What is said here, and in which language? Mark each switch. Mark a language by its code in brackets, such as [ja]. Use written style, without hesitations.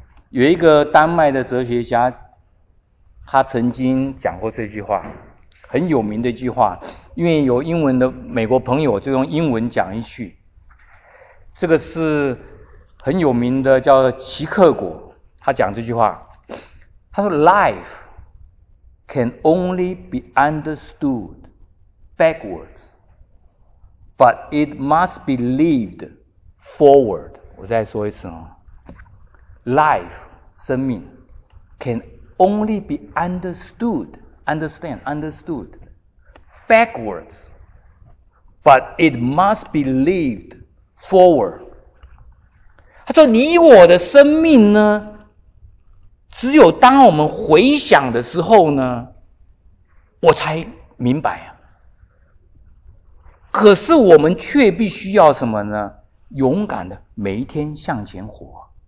[zh] 有一个丹麦的哲学家，他曾经讲过这句话，很有名的一句话，因为有英文的美国朋友就用英文讲一句，这个是很有名的，叫齐克果，他讲这句话，他说 [en] Life can only be understoodbackwards, but it must be lived forward. [zh] 我再说一次哦。 [en] Life, [zh] 生命 [en] can only be understood, understand, understood backwards, but it must be lived forward. [zh] 他说你我的生命呢，只有当我们回想的时候呢，我才明白啊。可是我们却必须要什么呢？勇敢的每一天向前活。